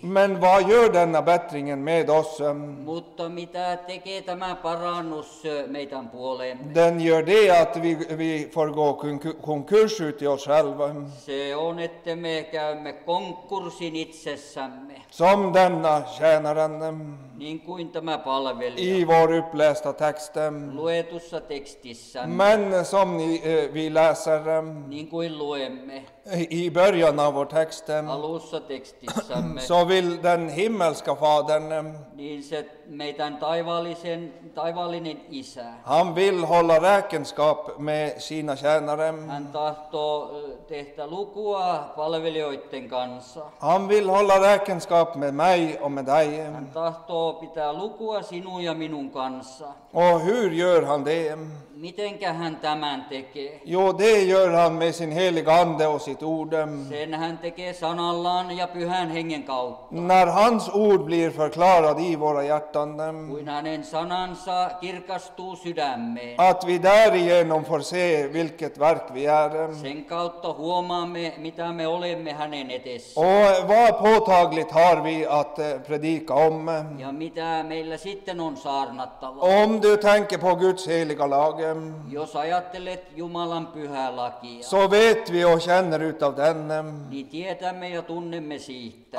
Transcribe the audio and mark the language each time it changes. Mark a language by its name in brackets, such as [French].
[Swedish] Men vad gör denna bättringen med oss? [Finnish] Mutta mitä tekee tämä parannus meidän puoleemme? [Swedish] Den gör det att vi får gå konkurs ut i oss själva. [Finnish] Se on, että me käymme konkurssin itsessämme. [Swedish] Som denna tjänaren. [Finnish] Niin kuin tämä palvelija. [Swedish] I vår upplästa text. [Finnish] Luetussa tekstissä. [Swedish] Men som vi läser. [Finnish] Niin kuin luemme. [Swedish] I början av vår text. [Finnish] Alussa tekstissämme. [Swedish] Så vill den himmelska fadern. [Finnish] Niin se meidän taivaallinen isä. [Swedish] Han vill hålla räkenskap med sina tjänare. [Finnish] Hän tahtoo tehdä lukua palvelijoiden kanssa. [Swedish] Han vill hålla räkenskap med mig och med dig. [Finnish] Hän tahtoo pitää lukua sinun ja minun kanssa. [Swedish] Och hur gör han det? [Finnish] Mitenkä hän tämän tekee? [Swedish] Jo, det gör han med sin heliga ande och sitt ord. [Finnish] Sen hän tekee sanallaan ja pyhän hengen kautta. [Swedish] När hans ord blir förklarad i våra hjärtan. [Finnish] Kuin hänen sanansa kirkastuu sydämmeen. [Swedish] Att vi därigenom får se vilket verk vi är. [Finnish] Sen kautta huomaamme, mitä me olemme hänen edessä. [Swedish] Och vad påtagligt har vi att predika om. [Finnish] Ja mitä meillä sitten on saarnattava. [Swedish] Om du tänker på Guds heliga lag. [Finnish] Jos ajattelet Jumalan pyhää lakia. [Swedish] Så vet vi och känner utav den. [Finnish] Niin tiedämme ja tunnemme siitä.